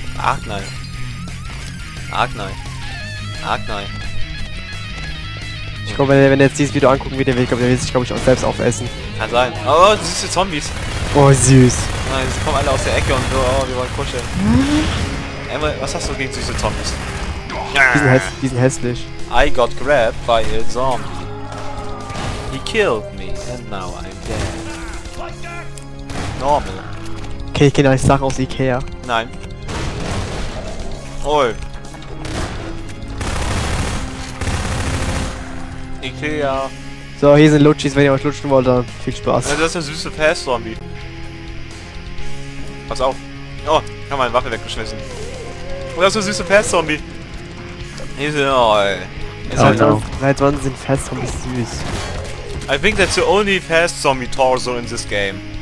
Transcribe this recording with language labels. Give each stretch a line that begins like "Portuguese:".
German: Arknai. Arknai. Arknai. Ich glaube, wenn er jetzt dieses Video angucken wird, der will sich, glaube ich, auch selbst aufessen. Kann sein. Oh, süße Zombies. Oh, süß. Nein, sie kommen alle aus der Ecke und so, oh, wir wollen kuscheln. Mhm. Emre, was hast du gegen süße Zombies? Die sind hässlich.
English: I got grabbed by a zombie. He killed me and now I'm dead.
German: Normal. Okay, ich kenne eine Sache aus Ikea. Nein. Oi. Ikea. So, hier sind Luchis, wenn ihr euch lutschen wollt, dann viel Spaß. Das ist eine süße Pass-Zombie. Pass auf. Oh, ich habe meine Waffe weggeschmissen. Oh, das ist eine süße Pass-Zombie. Hier sind, oi. Seit wann sind Pass-Zombies süß?
English: I think that's the only Pass-Zombie torso in this game.